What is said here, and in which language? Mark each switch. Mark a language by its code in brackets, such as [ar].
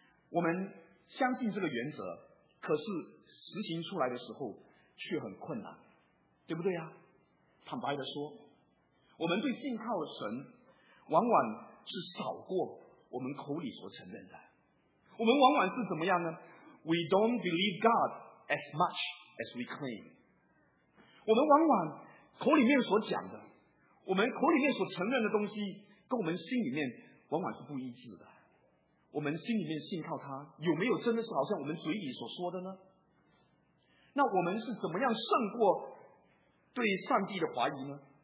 [zh] 我们相信这个原则，可是实行出来的时候却很困难，对不对啊？坦白的说，我们对信靠神往往是少过我们口里所承认的。我们往往是怎么样呢？ [en] We don't believe God as much as we claim。 [zh] 我们往往口里面所讲的，我们口里面所承认的东西，跟我们心里面往往是不一致的。我们心里面信靠他，有没有真的是好像我们嘴里所说的呢？那我们是怎么样胜过对上帝的怀疑呢？